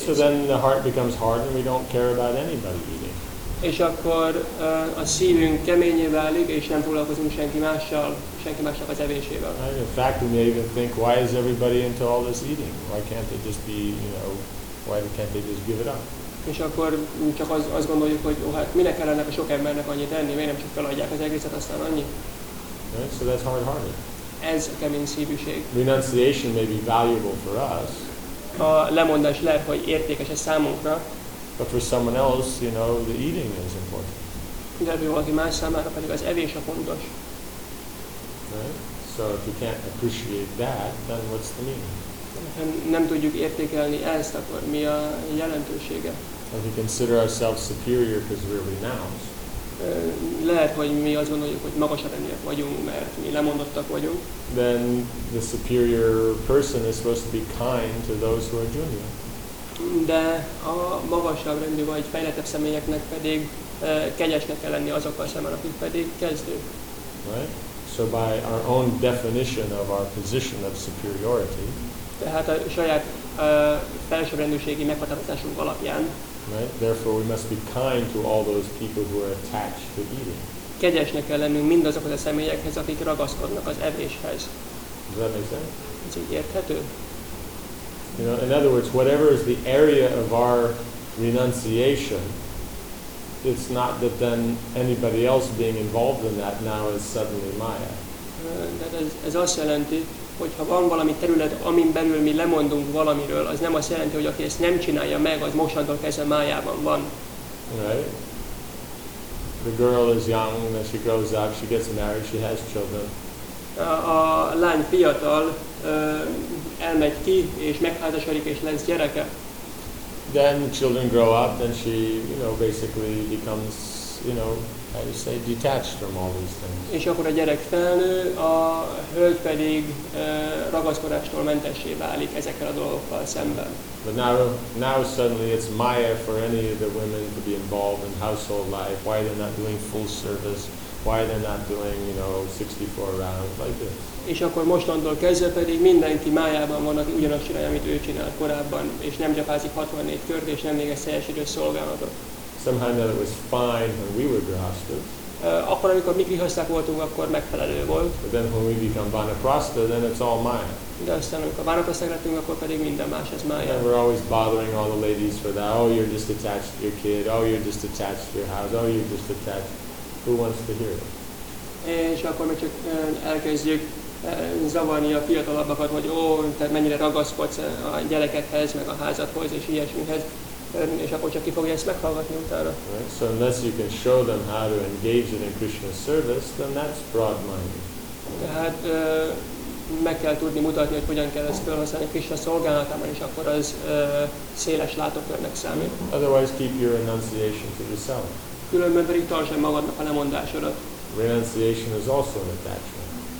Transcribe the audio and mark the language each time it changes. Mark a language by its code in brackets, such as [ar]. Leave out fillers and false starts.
[en] So then the heart becomes hard and we don't care about anybody eating. [hu] És akkor a szívünk keményé válik, és nem foglalkozunk senki mással az evésével. [en] Right? In fact, we may even think, why is everybody into all this eating? Why can't they just be, you know, why can't they just give it up? [hu] És akkor csak azt gondoljuk, hogy oh, hát minek kell ennek a sok embernek annyit enni, miért nem csak feladják az egészet, aztán annyi? [en] Right? So that's hard-hearted. [hu] Ez a kemény szívűség. [en] Renunciation may be valuable for us. [hu] A lemondás lehet, hogy értékes a számunkra. [en] But for someone else, you know, the eating is important. [hu] De valaki más számára pedig az evés a fontos. [en] Right? So if you can't appreciate that, then what's the meaning? [hu] Ha nem tudjuk értékelni ezt, akkor mi a jelentősége? [en] If we consider ourselves superior because we're renounced. [hu] Lehet, hogy mi azt gondoljuk, hogy magasabb emberek vagyunk, mert mi lemondottak vagyunk. [en] Then the superior person is supposed to be kind to those who are junior. [hu] De a magasabb rendű vagy fejlettebb személyeknek pedig kegyesnek kell lenni azokkal szemben, akik pedig kezdő. [en] Right? So by our own definition of our position of superiority. [hu] Tehát a saját felsőbb rendűségi meghatározásunk alapján. [en] Right? Therefore, we must be kind to all those people who are attached to eating. [hu] Kegyesnek kell lennünk mindazokhoz a személyekhez, akik ragaszkodnak az evéshez. [en] Does that make sense? [hu] Ez így érthető? [en] You know, in other words, whatever is the area of our renunciation, it's not that then anybody else being involved in that now is suddenly Maya. [hu] Ez azt jelenti, hogy ha van valami terület, amin belül mi lemondunk valamiről, az nem azt jelenti, hogy aki ezt nem csinálja meg, az mostantól kezdve májában van. [en] Right. The girl is young, and she grows up, she gets married, she has children. [hu] A lány fiatal, elmegy ki, és megházasodik, és lesz gyereke. [en] Then children grow up, and she, you know, basically becomes, you know, I just say detached from all these things. [hu] És akkor a gyerek felnő, a hölgy pedig ragaszkodástól mentessé válik ezekkel a dolgokkal szemben. [en] But now suddenly it's Maya for any of the women to be involved in household life. Why they're not doing full service? Why they're not doing, you know, 64 rounds like this? [hu] És akkor mostantól kezdve pedig mindenki májában van, aki ugyanazt csinálja, amit ő csinált korábban, és nem gyapázik 64 kört, és nem végez teljes idős szolgálatot. [en] Somehow that it was fine when we were grihasthas. [hu] Akkor, amikor mi grihaszták voltunk, akkor megfelelő volt. [en] But then when we become vanaprastha, then it's all mine. [hu] De aztán, amikor vanaprasták lettünk, akkor pedig minden más, ez mája. [en] And we're always bothering all the ladies for that. Oh, you're just attached to your kid. Oh, you're just attached to your house. Oh, you're just attached. Who wants to hear it? [hu] És akkor mi csak elkezdjük zavarni a fiatalabbakat, hogy ó, te mennyire ragaszkodsz a gyerekekhez, meg a házadhoz és ilyesmihez. És akkor csak ki fogja ezt meghallgatni utána. [en] Right. So unless you can show them how to engage in Krishna service, then that's broad-minded. [hu] Tehát meg kell tudni mutatni, hogy hogyan kell ezt felhasználni Krishna szolgálatában, és akkor az széles látókörnek számít. [en] Otherwise keep your renunciation to yourself. [hu] Különben pedig tartsd magadnak a lemondásodat. [en] Renunciation is also an attachment.